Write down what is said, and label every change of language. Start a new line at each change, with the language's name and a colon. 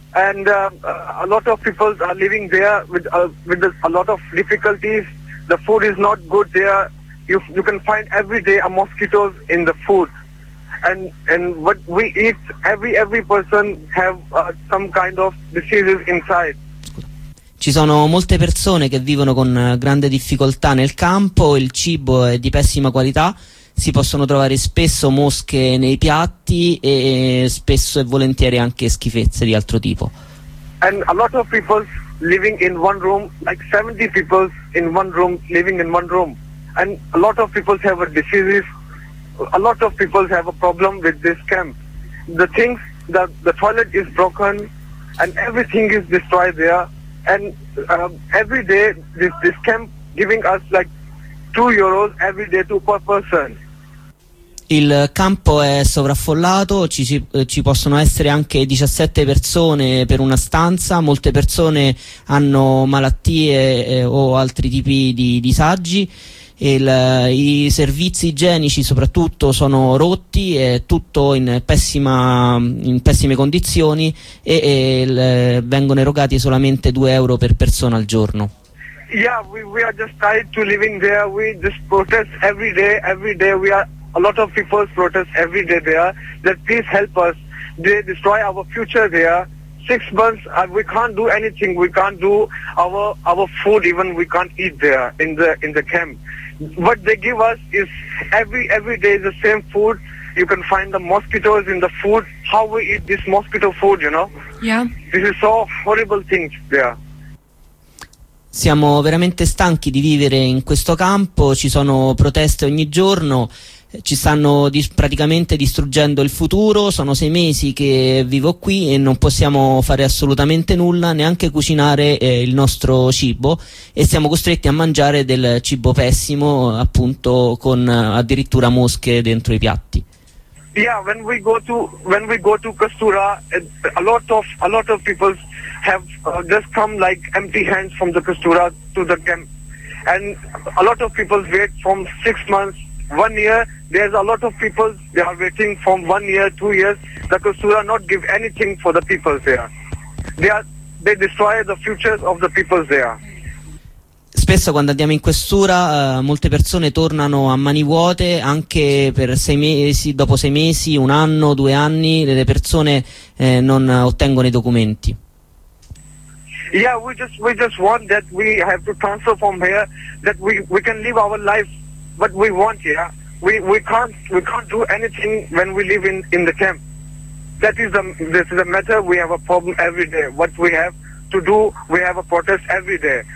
English: And a lot of people are living there with a lot of difficulties. The food is not good there. You can find every day a mosquitoes in the food. And what we eat, every person have some kind of diseases inside.
Italian: Ci sono molte persone che vivono con grande difficoltà nel campo. Il cibo è di pessima qualità. Si possono trovare spesso mosche nei piatti e spesso e volentieri anche schifezze di altro tipo.
English: And a lot of people living in one room, like 70 people in one room, living in one room. And a lot of people have a disease. A lot of people have a problem with this camp. The things that the toilet is broken and everything is destroyed there. And every day this camp giving us like 2 euros every day to per person.
Italian: Il campo è sovraffollato, ci possono essere anche 17 persone per una stanza, molte persone hanno malattie o altri tipi di disagi, i servizi igienici soprattutto sono rotti, è tutto in pessime condizioni e vengono erogati solamente 2 euro per persona al giorno.
English: Yeah, we are just tired to living there. We just protest every day. We are a lot of people protest every day there. That please help us. They destroy our future there. 6 months we can't do anything. We can't do our food even. We can't eat there in the camp. What they give us is every day the same food. You can find the mosquitoes in the food. How we eat this mosquito food, you know? Yeah. This is so horrible things there.
Italian: Siamo veramente stanchi di vivere in questo campo, ci sono proteste ogni giorno, ci stanno praticamente distruggendo il futuro, sono 6 mesi che vivo qui e non possiamo fare assolutamente nulla, neanche cucinare il nostro cibo, e siamo costretti a mangiare del cibo pessimo, appunto con addirittura mosche dentro i piatti.
English: Yeah, when we go to Kastura, a lot of people have just come like empty hands from the Kastura to the camp, and a lot of people wait from 6 months, 1 year. There's a lot of people, they are waiting from 1 year, 2 years. The Kastura not give anything for the people there. They destroy the futures of the people there.
Italian: Spesso quando andiamo in questura molte persone tornano a mani vuote, anche per sei mesi, dopo sei mesi, un anno, due anni, le persone non ottengono i documenti.
English: Yeah, we just want that we have to transfer from here, that we can live our life, but we want, yeah. We can't do anything when we live in the camp. This is a matter. We have a problem every day. What we have to do, we have a protest every day.